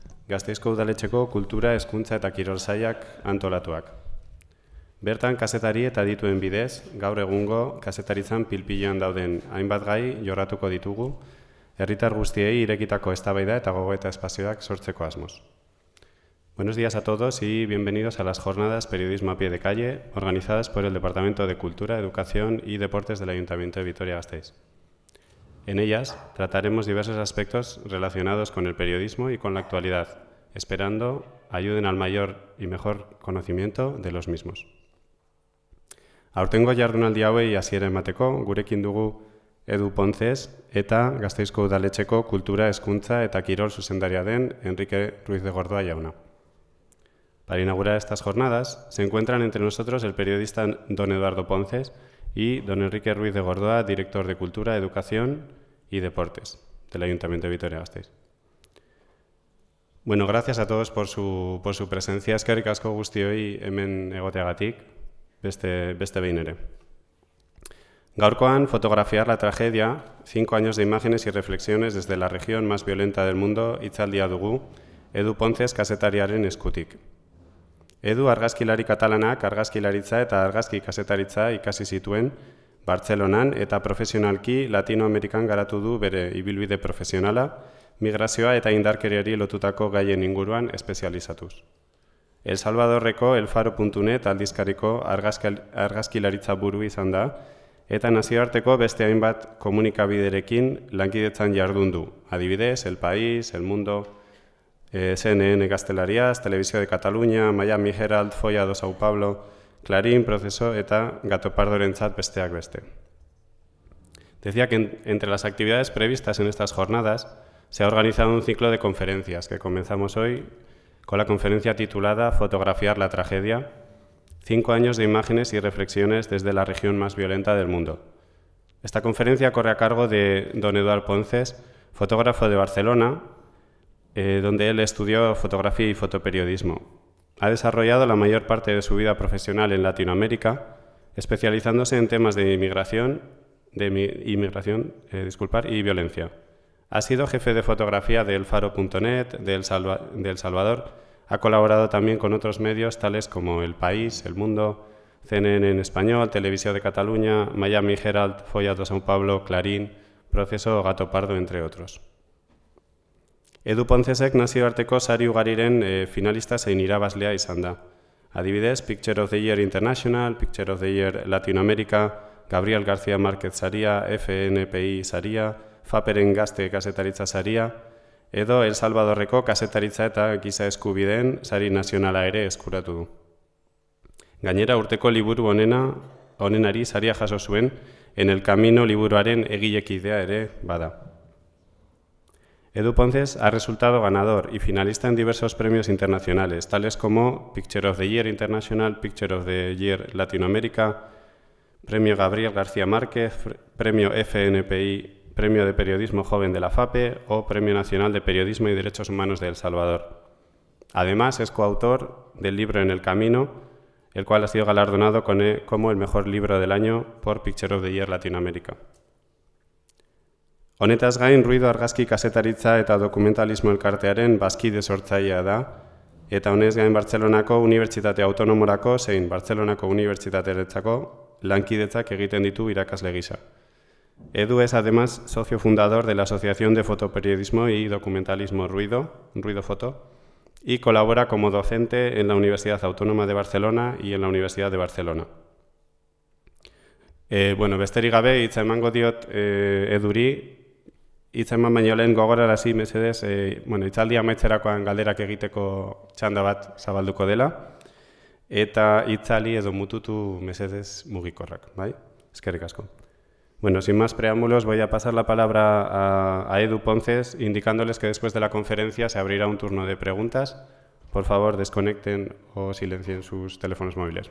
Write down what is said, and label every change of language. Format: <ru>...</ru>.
<eu>Gasteizko udaletxeko kultura, hezkuntza eta kirol sailak antolatuak. Bertan kazetari eta adituen bidez, gaur egungo kazetaritzan pilpilean dauden hainbat gai jorratuko ditugu, herritar guztiei irekitako eztabaida eta gogoeta espazioak sortzeko asmoz.</eu> <es>Buenos días a todos y bienvenidos a las jornadas Periodismo a pie de calle organizadas por el Departamento de Cultura, Educación y Deportes del Ayuntamiento de Vitoria-Gasteiz. En ellas trataremos diversos aspectos relacionados con el periodismo y con la actualidad, esperando ayuden al mayor y mejor conocimiento de los mismos.</es> <eu>Aurtengo jardunaldi hauei hasiera emateko, gurekin dugu Edu Ponces eta Gasteizko Udaletxeko Kultura, Hezkuntza eta Kirol zuzendaria den Enrique Ruiz de Gordoa jauna.</eu> <es>Para inaugurar estas jornadas, se encuentran entre nosotros el periodista don Eduardo Ponces y don Enrique Ruiz de Gordoa, director de Cultura, Educación y Deportes del Ayuntamiento de Vitoria-Gasteiz. Bueno, gracias a todos por su presencia.</es> <eu>Eskerrik asko guztioi hemen egoteagatik, beste behin ere. Gaurkoan, fotografiar la tragedia, 5 años de imágenes y reflexiones desde la región más violenta del mundo, hitzaldia dugu, Edu Ponces kazetariaren eskutik. Edu argazkilari katalanak argazkilaritza eta argazki kazetaritza ikasi zituen Bartzelonan eta profesionalki Latinoamerikan garatu du bere ibilbide profesionala, migrazioa eta indarkeriari lotutako gaien inguruan espezializatuz. El Salvadorreko elfaro.net aldizkariko argazkilaritza buru izan da eta nazioarteko beste hainbat komunikabiderekin lankidetzan jardun du, adibidez, El País, El Mundo, CNN Gaztelariaz, Televisio de Catalunya, Miami Herald, Foia do Sao Paulo, Clarín, Proceso eta Gatopardorentzat besteak beste.</eu> <es>Decía que entre las actividades previstas en estas jornadas se ha organizado un ciclo de conferencias que comenzamos hoy con la conferencia titulada Fotografiar la tragedia, 5 años de imágenes y reflexiones desde la región más violenta del mundo. Esta conferencia corre a cargo de don Eduard Ponces, fotógrafo de Barcelona, donde él estudió fotografía y fotoperiodismo. Ha desarrollado la mayor parte de su vida profesional en Latinoamérica, especializándose en temas de inmigración y violencia. Ha sido jefe de fotografía de Elfaro.net, de El Salvador. Ha colaborado también con otros medios, tales como El País, El Mundo, CNN en Español, Televisión de Cataluña, Miami Herald, Foia do São Paulo, Clarín, Proceso, Gato Pardo, entre otros.</es> <eu>Edu Poncesek nazioarteko sari ugariren finalista zein irabazlea izan da. Adibidez, Picture of the Year International, Picture of the Year Latin America, Gabriel García Márquez saria, FNPI saria, FAPEREN gazte kasetaritza saria, edo El Salvadorreko kasetaritza eta giza eskubideen sari nazionala ere eskuratu du. Gainera, urteko liburu onenari saria jaso zuen, En el Camino liburuaren egilekidea ere bada.</eu> <es>Edu Ponces ha resultado ganador y finalista en diversos premios internacionales, tales como Picture of the Year International, Picture of the Year Latinoamérica, Premio Gabriel García Márquez, Premio FNPI, Premio de Periodismo Joven de la FAPE o Premio Nacional de Periodismo y Derechos Humanos de El Salvador. Además, es coautor del libro En el Camino, el cual ha sido galardonado como el mejor libro del año por Picture of the Year Latinoamérica.</es> <eu>Honetaz gain, Ruido Argazki kazetaritza eta dokumentalismo elkartearen bazkide sortzailea da, eta honez gain Bartzelonako Unibertsitate Autonomorako zein Bartzelonako Unibertsitateretzako lankidetzak egiten ditu irakasle gisa.</eu> <es>Edu es además socio fundador de la Asociación de Fotoperiodismo y Documentalismo Ruido, Ruido Foto, y colabora como docente en la Universidad Autónoma de Barcelona y en la Universidad de Barcelona.</es> <eu>Bueno, besterik gabe, hitza emango diot eduri, hitza eman baino lehen gogorarazi mesedez, hitzaldi amaitzerakoan galderak egiteko txanda bat zabalduko dela, eta hitzali edo mututu mesedez mugikorrak, bai? Eskerrik asko.</eu> <es>Bueno, sin más preámbulos, voy a pasar la palabra a Edu Ponces, indicándoles que después de la conferencia se abrirá un turno de preguntas. Por favor, desconecten o silencien sus teléfonos móviles.</es>